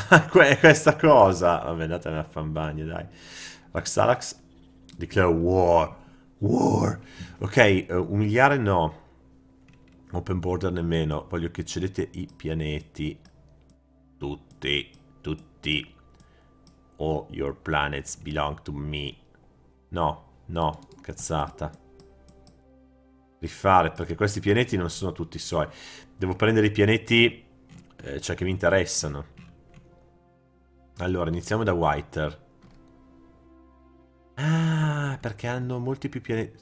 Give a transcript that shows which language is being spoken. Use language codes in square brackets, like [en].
[it] Questa cosa. Vabbè, andatene a fan bagno, dai. Raxalax, [en] declare war. War. [it] Ok, umiliare no. Open border nemmeno. Voglio che cedete i pianeti. Tutti. Tutti. [en] All your planets belong to me. [it] No. No, cazzata. Rifare, perché questi pianeti non sono tutti suoi. Devo prendere i pianeti, cioè che mi interessano. Allora, iniziamo da Whiter. Ah, perché hanno molti più pianeti.